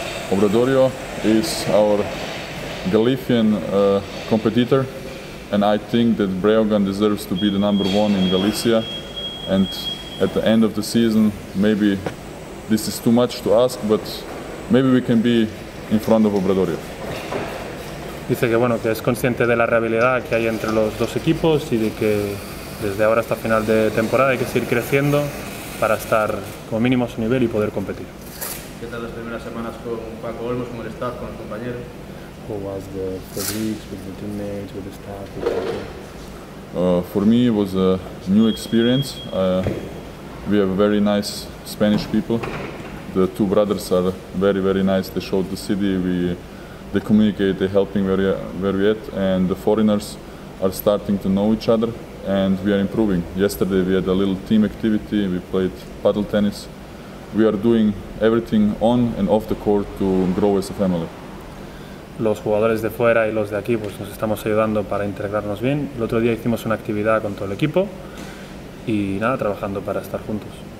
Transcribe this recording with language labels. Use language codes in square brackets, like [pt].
[en] Obradoiro is our Galician competitor, and I think that Breogán deserves to be the number one in Galicia. And at the end of the season, maybe this is too much to ask, but maybe we can be in front of Obradoiro. [es] Dice que bueno, que es consciente de la rivalidad que hay entre los dos equipos y de que desde ahora hasta final de temporada hay que seguir creciendo para estar como mínimo a su nivel y poder competir. ¿Qué tal las primeras semanas con Paco Olmos, con el staff, con los compañeros? [en] How was the first weeks with the teammates, with the staff? For me it was a new experience. We have very nice Spanish people. The two brothers are very, very nice. They showed the city. They communicate, they're helping very well, and the foreigners are starting to know each other and we are improving. Yesterday we had a little team activity, we played paddle tennis. We are doing everything on and off the court to grow as a family. [es] Los jugadores de fuera y los de aquí pues nos estamos ayudando para integrarnos bien. El otro día hicimos una actividad con todo el equipo y nada, trabajando para estar juntos.